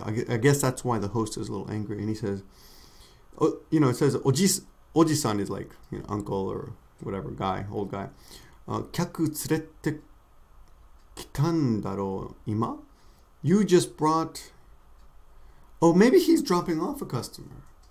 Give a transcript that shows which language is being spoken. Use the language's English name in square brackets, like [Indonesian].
[English] I guess that's why the host is a little angry. And he says, you know, it says, おじさん is like, you know, uncle or whatever, guy, old guy. [Japanese] 客連れてきたんだろう、今? [English] You just brought, oh, maybe he's dropping off a customer.